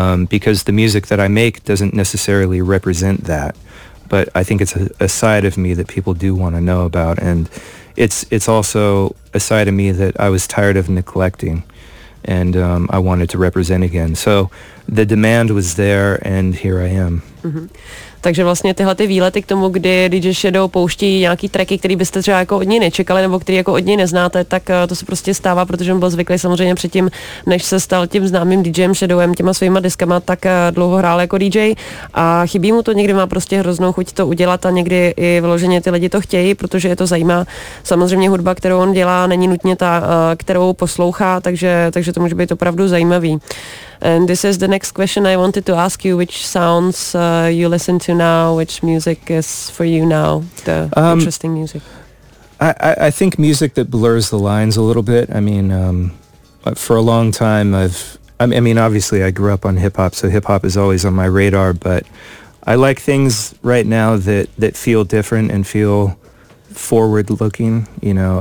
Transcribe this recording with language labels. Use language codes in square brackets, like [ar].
[en] because the music that I make doesn't necessarily represent that, but I think it's a side of me that people do want to know about, and It's also a side of me that I was tired of neglecting, and I wanted to represent again. So the demand was there, and here I am. Mm-hmm. [cs] Takže vlastně tyhle ty výlety k tomu, kdy DJ Shadow pouští nějaký tracky, který byste třeba jako od něj nečekali, nebo který jako od něj neznáte, tak to se prostě stává, protože on byl zvyklý samozřejmě předtím, než se stal tím známým DJem Shadowem, těma svýma diskama, tak dlouho hrál jako DJ a chybí mu to, někdy má prostě hroznou chuť to udělat a někdy i vyloženě ty lidi to chtějí, protože je to zajímá. Samozřejmě hudba, kterou on dělá, není nutně ta, kterou poslouchá, takže to může být opravdu zajímavý. [en] And this is the next question I wanted to ask you, which sounds you listen to now, which music is for you now, the interesting music. I think music that blurs the lines a little bit. I mean, for a long time I mean, obviously I grew up on hip hop, so hip hop is always on my radar, but I like things right now that feel different and feel forward looking, you know.